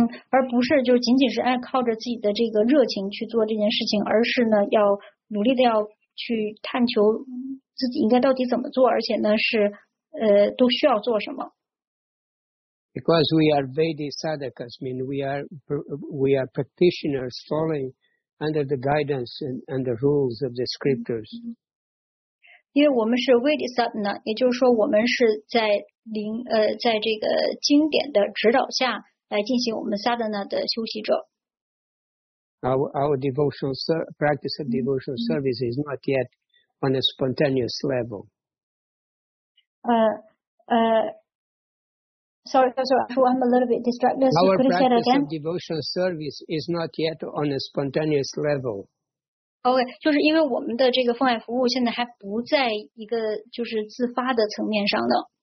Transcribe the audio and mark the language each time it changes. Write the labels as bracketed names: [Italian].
[Chinese] 而不是就仅仅是爱靠着自己的这个热情去做这件事情，而是呢要努力的要去探求自己应该到底怎么做，而且呢是都需要做什么。 [English] Because we are Vedic sadhakas, mean we are practitioners following under the guidance and the rules of the scriptures. [Chinese] 因为我们是 Vedic sadhana, 也就是说我们是在灵在这个经典的指导下来进行我们 sadhana 的修习者。 [English] Our devotional practice of devotional service is not yet on a spontaneous level. Sorry, I'm a little bit distracted. Our practice again? Of devotional service is not yet on a spontaneous level. [Chinese] Okay, 就是因为我们的这个奉爱服务现在还不在一个就是自发的层面上呢。